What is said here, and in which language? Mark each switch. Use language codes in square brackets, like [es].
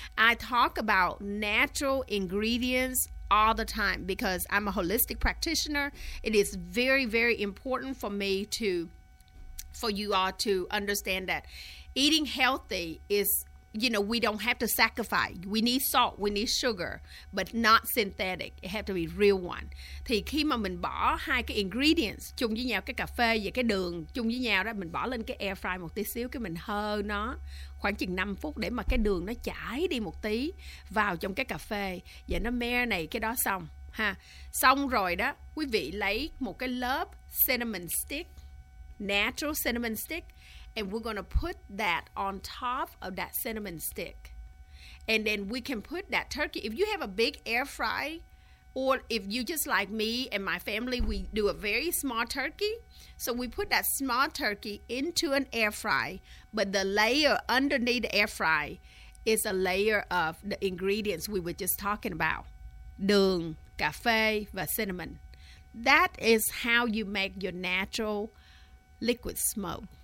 [en] I talk about natural ingredients all the time because I'm a holistic practitioner. It is very, very important for me to, for you all to understand that eating healthy is, you know, we don't have to sacrifice. We need salt, we need sugar, but not synthetic. It have to be real one. [vi] Thì khi mà mình bỏ hai cái ingredients chung với nhau, cái cà phê và cái đường chung với nhau đó, mình bỏ lên cái air fry một tí xíu, cái mình hơ nó khoảng chừng 5 phút để mà cái đường nó chảy đi một tí vào trong cái cà phê và nó marinate cái đó xong. [en] Ha. [vi] Xong rồi đó, quý vị lấy một cái lớp [en] cinnamon stick, natural cinnamon stick, and we're going to put that on top of that cinnamon stick. And then we can put that turkey. If you have a big air fry, or if you just like me and my family, we do a very small turkey. So we put that small turkey into an air fry. But the layer underneath the air fry is a layer of the ingredients we were just talking about. [vi] Đường, cà phê, và cinnamon. [en] That is how you make your natural liquid smoke.